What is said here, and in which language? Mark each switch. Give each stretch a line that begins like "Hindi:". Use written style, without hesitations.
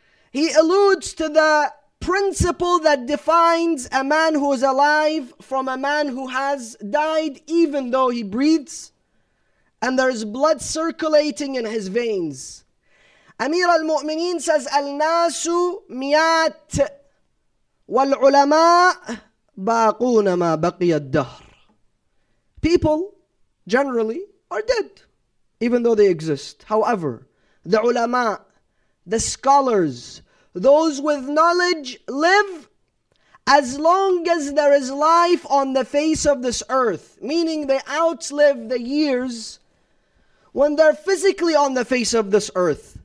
English: He alludes to the principle that defines a man who is alive from a man who has died even though he breathes and there is blood circulating in his veins. Amir al-Mu'mineen says,
Arabic: Al-Nasu miyat. والعلماء باقون ما بقي الدهر.
English: People generally are dead, even though they exist. However, the ulama, the scholars, those with knowledge live as long as there is life on the face of this earth, meaning they outlive the years when they're physically on the face of this earth.